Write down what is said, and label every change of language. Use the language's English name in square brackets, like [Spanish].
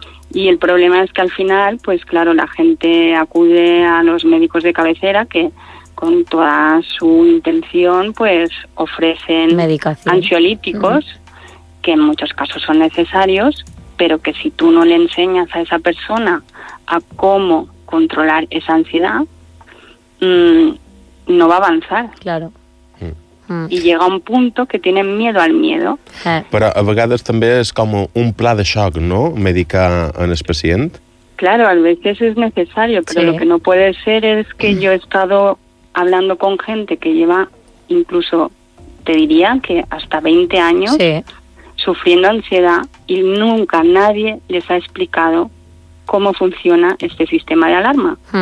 [Spanish] Y el problema es que al final, pues claro, la gente acude a los médicos de cabecera que con toda su intención pues ofrecen ansiolíticos, que en muchos casos son necesarios, pero que si tú no le enseñas a esa persona a cómo controlar esa ansiedad, no va a avanzar. Claro. Y llega un punto que tienen miedo al miedo. [Catalan] Pero a vegades també és com un pla de xoc, ¿no?, medicar en el pacient. [Spanish] Claro, a veces es necesario, pero lo que no puede ser es que yo he estado hablando con gente que lleva incluso, te diría, que hasta 20 años... Sí. sufriendo ansiedad y nunca nadie les ha explicado cómo funciona este sistema de alarma.